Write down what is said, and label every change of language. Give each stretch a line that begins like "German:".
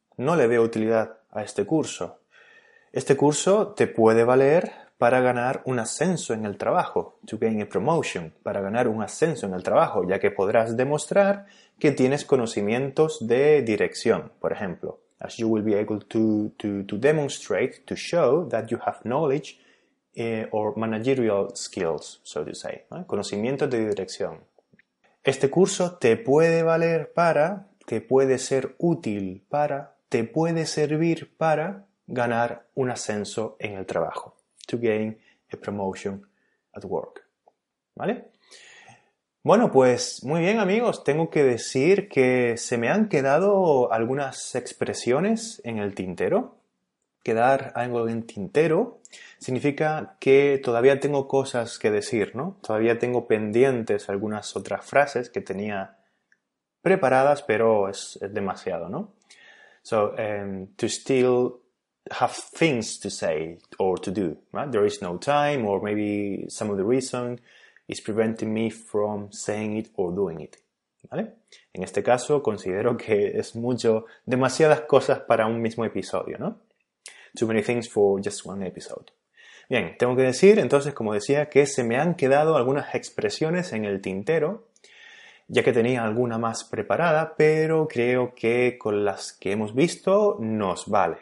Spanish: No le veo utilidad a este curso. Este curso te puede valer para ganar un ascenso en el trabajo,
English: to gain a promotion,
Spanish: para ganar un ascenso en el trabajo, ya que podrás demostrar que tienes conocimientos de dirección, por ejemplo.
English: As you will be able to demonstrate, to show that you have knowledge, or managerial skills, so to say,
Spanish: ¿no? Conocimientos de dirección. Este curso te puede valer para, te puede ser útil para, te puede servir para ganar un ascenso en el trabajo.
English: To gain a promotion at work.
Spanish: ¿Vale? Bueno, pues muy bien amigos, tengo que decir que se me han quedado algunas expresiones en el tintero. quedar algo en tintero significa que todavía tengo cosas que decir, ¿no? Todavía tengo pendientes algunas otras frases que tenía preparadas, pero es demasiado, ¿no?
English: So, to still have things to say or to do, right? There is no time, or maybe some of the reason is preventing me from saying it or doing it.
Spanish: ¿Vale? En este caso, considero que es mucho, demasiadas cosas para un mismo episodio, ¿no?
English: Too many things for just one episode.
Spanish: Bien, tengo que decir entonces, como decía, que se me han quedado algunas expresiones en el tintero, ya que tenía alguna más preparada, pero creo que con las que hemos visto nos vale.